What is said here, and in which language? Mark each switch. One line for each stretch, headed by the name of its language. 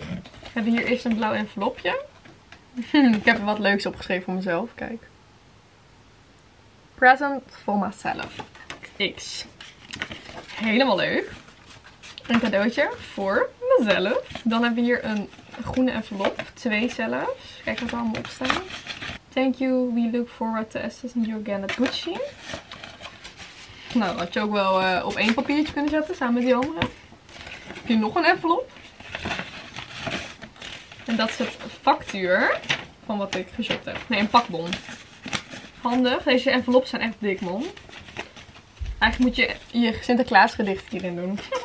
Dutch: We hebben hier eerst een blauw envelopje. Ik heb er wat leuks opgeschreven voor mezelf. Kijk.
English: Present for myself.
Dutch: X. Helemaal leuk. Een cadeautje voor mezelf. Dan hebben we hier een groene envelop. Twee zelfs. Kijk wat er allemaal op staan.
English: Thank you. We look forward to assisting you again at Gucci.
Dutch: Nou, dat had je ook wel op één papiertje kunnen zetten, samen met die andere. Heb je nog een envelop? En dat is het factuur van wat ik geshopt heb. Nee, een pakbon. Handig. Deze envelops zijn echt dik, man. Eigenlijk moet je je Sinterklaas gedicht hierin doen.